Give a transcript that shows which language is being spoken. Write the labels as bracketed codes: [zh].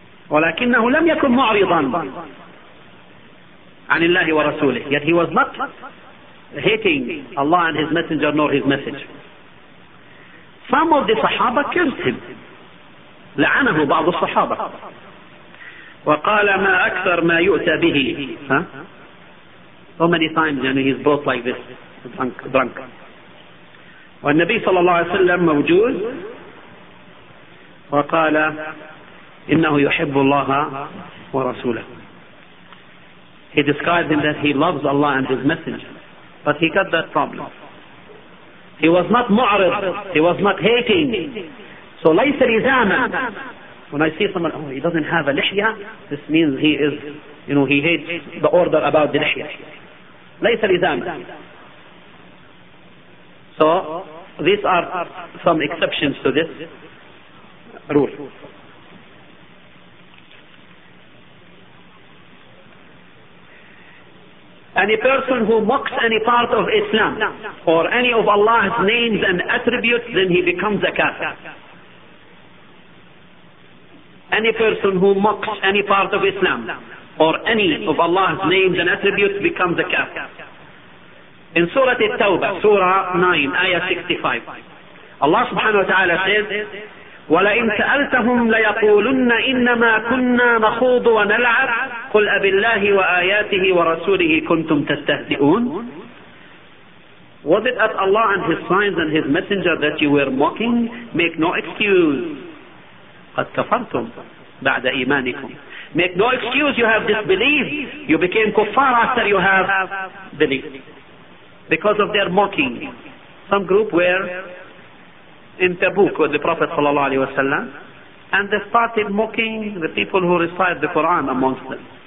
[ar] ولكنه لم يكن معرضا عن الله ورسوله. [en] Yet he was not hating Allah and His Messenger nor His Message. Some of the Sahaba cursed him. [ar] لعنه بعض الصحابة. وقال ما أكثر ما يؤتى به. [en] How many times he is brought like this, drunk. [ar] والنبي صلى الله عليه وسلم موجود وقال إنه يحب الله ورسوله. [en] He described him that he loves Allah and his messenger. But he got that problem. He was not mu'arid. He was not hating. [ar] So ليس لزاما. [en] When I see someone, oh, he doesn't have a lihya, this means he is, you know, he hates the order about the lihya. [ar] ليس لزاما. [en] So these are some exceptions to this rule. Any person who mocks any part of Islam or any of Allah's names and attributes, then he becomes a kafir. Any person who mocks any part of Islam or any of Allah's names and attributes becomes a kafir. In Surah At-Tawbah, Surah 9, Ayah 65, Allah subhanahu wa ta'ala says, [ar] وَلَئِن سَأَلْتَهُمْ لَيَقُولُنَّ إِنَّمَا كُنَّا نَخُوضُ وَنَلْعَبُ قُلْ أَبِ اللَّهِ وَآيَاتِهِ وَرَسُولِهِ كُنْتُمْ تَسْتَهْزِئُونَ. [en] Was it at Allah and His signs and His messenger that you were mocking? Make no excuse. [ar] قَدْ كَفَرْتُمْ بَعْدَ إِيمَانِكُمْ. [en] Make no excuse, you have disbelieved. You became kuffar after you have believed. Because of their mocking. Some group were in Tabuk with the Prophet sallallahu alaihi wasallam, and they started mocking the people who recite the Quran amongst them.